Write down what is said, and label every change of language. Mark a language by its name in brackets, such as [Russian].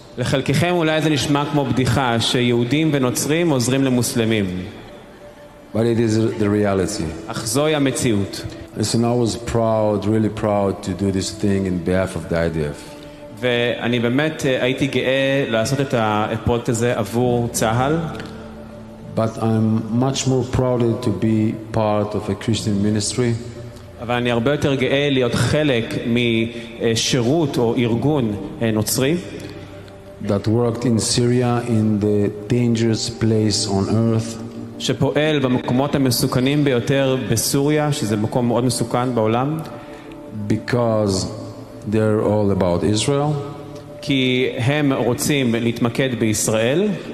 [Hebrew] לחלקכם אולי זה נשמע כמו בדיחה שיהודים ונוצרים עוזרים למוסלמים. [English] But it is the reality. [Hebrew] אך זוהי המציאות. [English] Listen, I was proud, really proud to do this thing in behalf of the IDF. [Hebrew] ואני באמת הייתי גאה לעשות את הפרויקט הזה עבור צהל. [English] But I'm much more prouder to be part of a Christian ministry. [Hebrew] אבל אני הרבה יותר גאה להיות חלק משירות או ארגון נוצרי. [English] That worked in Syria in the dangerous place on earth. [Hebrew] שפועל במקומות המסוכנים ביותר בסוריה, שזה מקום מאוד מסוכן בעולם. [English] Because they're all about Israel. [Hebrew] כי הם רוצים להתמקד בישראל.